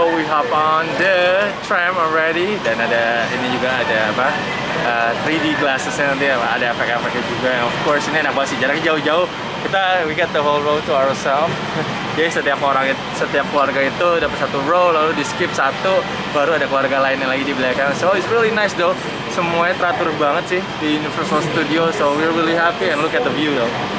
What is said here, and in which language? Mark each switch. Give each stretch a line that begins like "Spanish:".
English: Hop on tram already,
Indonesian: dan ada ini juga ada apa? 3D glasses nanti ada efek-efeknya juga. Of course ini enak banget sih, jaraknya jauh-jauh.
English: Kita we get the whole row to ourselves.
Indonesian: Jadi setiap keluarga itu dapat satu row, lalu di skip satu, baru ada keluarga lainnya lagi di belakang.
English: So it's really nice though.
Indonesian: Semuanya teratur banget sih di Universal Studio.
English: So we're really happy and look at the view though.